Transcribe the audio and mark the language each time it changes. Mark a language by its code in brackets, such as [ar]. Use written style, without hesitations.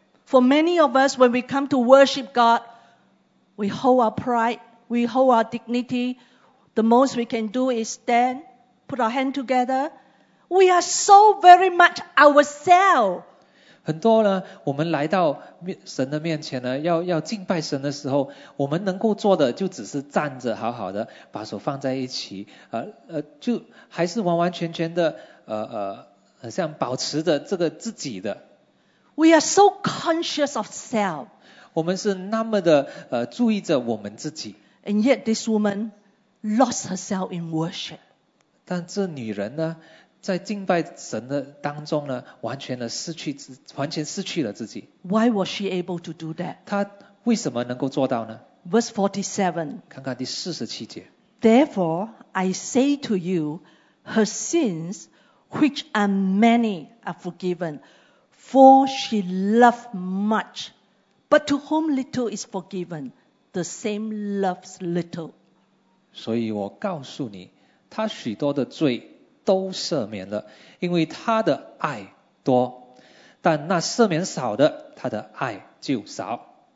[en] For many of us, when we come to worship God, we hold our pride, we hold our dignity. The most we can do is stand, put our hand together. We are so very much ourselves. [zh] 很多呢，我们来到神的面前呢，要敬拜神的时候，我们能够做的就只是站着好好的，把手放在一起，就还是完完全全的，像保持着这个自己的。 [en] We are so conscious of self. [zh] 我们是那么的注意着我们自己。 [en] And yet this woman lost herself in worship. [zh] 但这女人呢？在敬拜神的当中呢，完全失去了自己。 [en] Why was she able to do that? [zh] 她为什么能够做到呢？ [en] Verse 47. [zh] 看看第四十七节。 [en] Therefore, I say to you, her sins, which are many, are forgiven, for she loved much. But to whom little is forgiven, the same loves little. [zh] 所以我告诉你，他许多的罪都赦免了，因为他的爱多，但那赦免少的，他的爱就少。